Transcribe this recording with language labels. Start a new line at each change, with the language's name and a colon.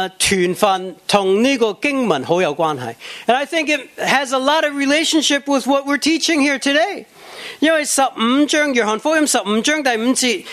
Chinese: 我觉得这个团训和这个经文很有关系。
English: And I think it has a lot of relationship with what we're teaching here today.
Chinese: 因为十五章约翰福音十五章第五节,